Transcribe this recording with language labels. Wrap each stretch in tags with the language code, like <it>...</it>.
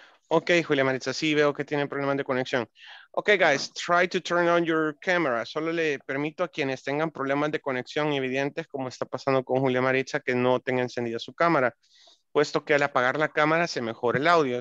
<es>Okay, Julia Maritza, sí veo que tiene problemas de conexión.</es> <en>Okay, guys, try to turn on your camera.</en> <es>Solo le permito a quienes tengan problemas de conexión evidentes, como está pasando con Julia Maritza, que no tenga encendida su cámara, puesto que al apagar la cámara se mejora el audio.</es>